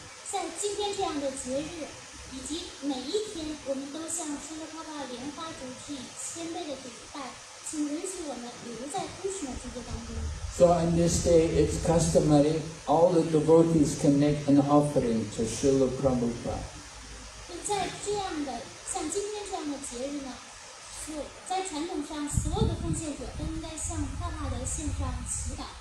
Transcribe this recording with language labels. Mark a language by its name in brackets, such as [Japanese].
[Chinese] 像今天这样的节日，以及每一天，我们都向师父帕帕莲花主体谦卑的礼拜，请允许我们留在Krishna境界当中。 [English] So on this day, it's customary all the devotees can make an offering to Srila Prabhupada. [Chinese] 在这样的，像今天这样的节日呢，是在传统上所有的奉献者都应该向帕帕莲献上祈祷。